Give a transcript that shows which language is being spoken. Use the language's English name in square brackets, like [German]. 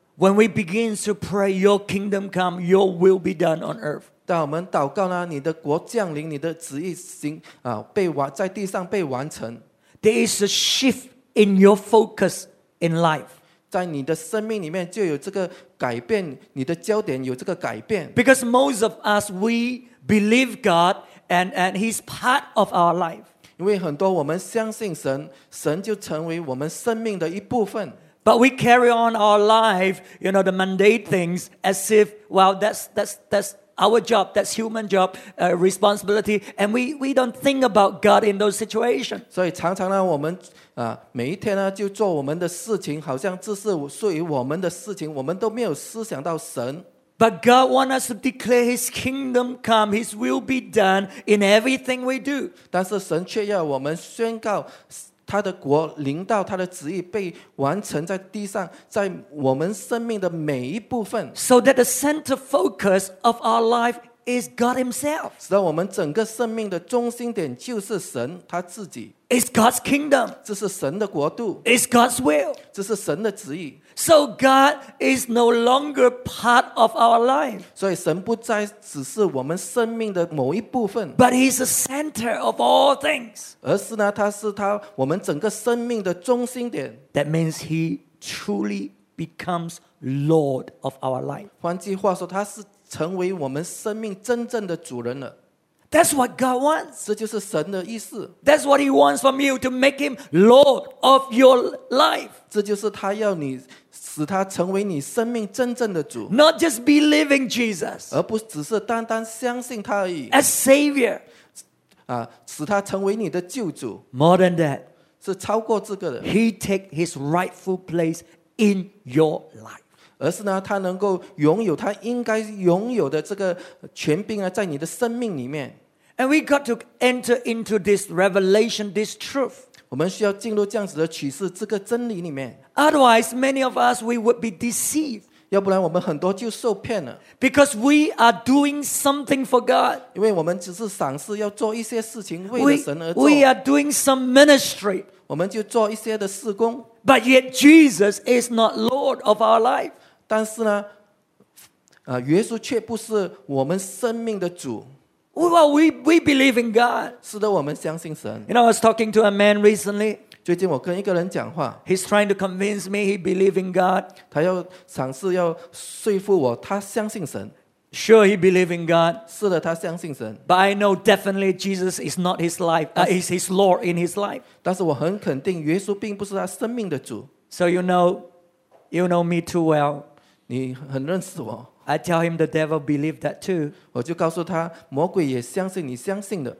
[English] when we begin to pray, your kingdom come, your will be done on earth. [Chinese] 当我们祷告呢，你的国降临，你的旨意行啊，被完在地上被完成。 [English] There is a shift in your focus in life. [Chinese] 在你的生命里面就有这个改变，你的焦点有这个改变。 [English] Because most of us, we believe God, and He's part of our life. [Chinese] 因为很多我们相信神，神就成为我们生命的一部分。 [English] But we carry on our life, you know, the mundane things as if, well, that's our job, that's human job, responsibility, and we don't think about God in those situations. [Chinese] 所以常常呢，我们每一天呢就做我们的事情，好像这是属于我们的事情，我们都没有思想到神。 [English] But God wants us to declare His kingdom come, His will be done in everything we do. [Chinese] 但是神却要我们宣告他的国临到他的旨意被完成在地上在我们生命的每一部分。 [English] So that the center focus of our life is God Himself. [Chinese] 使得我们整个生命的中心点就是神他自己。 [English] It's God's kingdom. [Chinese] 这是神的国度。 [English] It's God's will. [Chinese] 这是神的旨意。 [English] So God is no longer part of our life. [Chinese] 所以神不再只是我们生命的某一部分。 [English] But He's the center of all things. [Chinese] 而是呢，他是他我们整个生命的中心点。 [English] That means He truly becomes Lord of our life. [Chinese] 换句话说，他是成为我们生命真正的主人了。 [English] That's what God wants. [Chinese] 这就是神的意思。 [English] That's what He wants from you, to make Him Lord of your life. [Chinese] 这就是他要你使他成为你生命真正的主。 [English] Not just believing Jesus. [Chinese] 而不只是单单相信他而已。 [English] As Savior. [Chinese] 使他成为你的救主。 [English] More than that. [Chinese] 是超过这个的。 [English] He take His rightful place in your life. [Chinese] 而是呢，他能够拥有他应该拥有的这个权柄啊，在你的生命里面。 [English] And we got to enter into this revelation, this truth. [Chinese] 我们需要进入这样子的启示，这个真理里面。 [English] Otherwise, many of us we would be deceived. [Chinese] 要不然我们很多就受骗了。 [English] Because we are doing something for God. [Chinese] 因为我们只是赏识要做一些事情，为了神而做。 [English] We are doing some ministry. [Chinese] 我们就做一些的事工。 [English] But yet Jesus is not Lord of our life. [Chinese] 但是呢，耶稣却不是我们生命的主。 [English] Well, we believe in God. [Chinese] 是的，我们相信神。 [English] You know, I was talking to a man recently. [Chinese] 最近我跟一个人讲话。 [English] He's trying to convince me he believes in God. [Chinese] 他要尝试要说服我，他相信神。 [English] Sure, he believes in God. [Chinese] 是的，他相信神。 [English] But I know definitely Jesus is not his life. Is his Lord in his life? [Chinese] 但是我很肯定，耶稣并不是他生命的主。 [English] So you know me too well. [Chinese] 你很认识我。 [English] I tell him the devil believed that too. [Chinese] 我就告诉他，魔鬼也相信你相信的。